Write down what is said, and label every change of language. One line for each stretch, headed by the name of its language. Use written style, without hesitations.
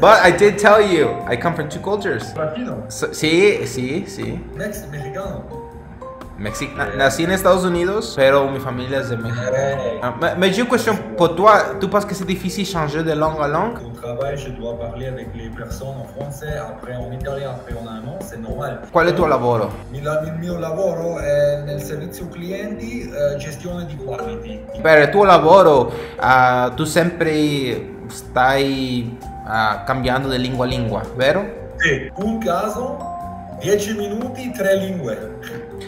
English: But I did tell you, I come from two cultures.
Spanish: Latino. Sí. Mexicano. Nací en Estados Unidos, pero mi familia es de México.
French: Mais j'ai une question pour toi. Tu penses que c'est difficile changer de langue à langue? Au travail, je dois parler avec les personnes en français, après en italien, après en allemand, c'est normal.
Italian: Qual è il tuo lavoro? Il mio lavoro è nel servizio clienti, gestione di quality. Per il tuo lavoro, tu sempre stai cambiando di lingua a lingua, vero? Sì, un caso, 10 minuti, 3 lingue.